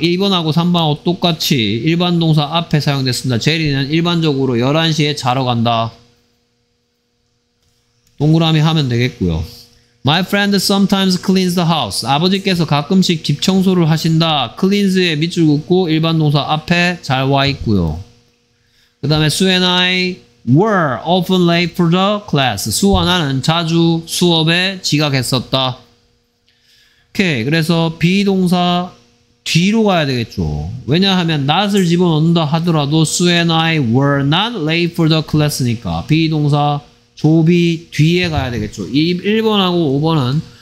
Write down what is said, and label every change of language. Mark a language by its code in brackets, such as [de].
[ko] 1번하고 3번하고 똑같이 일반 동사 앞에 사용됐습니다. Jerry는 일반적으로 11시에 자러 간다. 동그라미 하면 되겠고요. [en] My friend sometimes cleans the house. [ko] 아버지께서 가끔씩 집 청소를 하신다. cleans에 밑줄 긋고 일반 동사 앞에 잘 와 있고요. 그 다음에 [en] Sue and I were often late for the class. [ko] 수와 나는 자주 수업에 지각했었다. 오케이. 그래서 비동사 뒤로 가야 되겠죠. 왜냐하면 not을 집어넣는다 하더라도 [en] Sue and I were not late for the class [ko] 니까 비동사 조비 뒤에 가야 되겠죠. 1번하고 5번은